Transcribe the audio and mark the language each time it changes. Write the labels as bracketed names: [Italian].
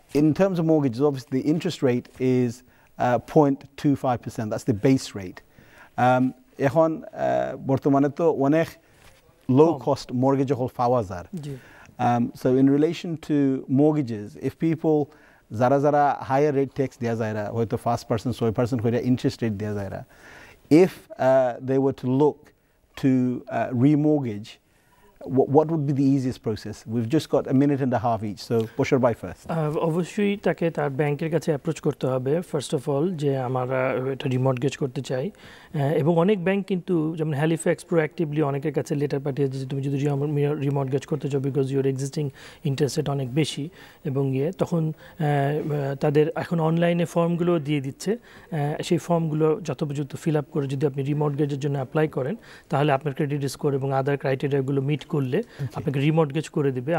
[English] In terms of mortgages, obviously the interest rate is 0.25%. That's the base rate. [Bangla] এখন বর্তমানে তো অনেক [English] low cost mortgage [Bangla] হল পাওয়া যায়. [English] So in relation to mortgages, if people [Bangla] যারা যারা হায়ার রেট ট্যাক্স দেওয়া যায় না, হয়তো 5% 6% হয়ে ইন্টারেস্ট রেট দেওয়া যায় না, [English] If they were to look to remortgage, what would be the easiest process? We've just got a minute and a half each, so push her by first. [Bangla] অবশ্যই তাকে তার ব্যাংকের কাছে অ্যাপ্রোচ করতে হবে, ফার্স্ট অফ অল, যে আমরা এটা রিমর্টগেজ করতে চাই। এবং অনেক ব্যাংক কিন্তু, যেমন হ্যালিফ্যাক্স, প্রোঅ্যাক্টিভলি অনেকের কাছে লেটার পাঠিয়েছে যে তুমি যদি রিমর্টগেজ করতে চাও [English] because your existing interest rate [Bangla] অনেক বেশি, এবং ইয়ে তখন তাদের এখন অনলাইনে ফর্মগুলো দিয়ে দিচ্ছে, সেই ফর্মগুলো যথোপযুক্ত ফিল আপ করে যদি আপনি রিমর্টগেজের জন্য অ্যাপ্লাই করেন, তাহলে আপনার ক্রেডিট স্কোর এবং আদার ক্রাইটেরিয়াগুলো মিট করলে আপনাকে রিমর্টগেজ করে দিবে।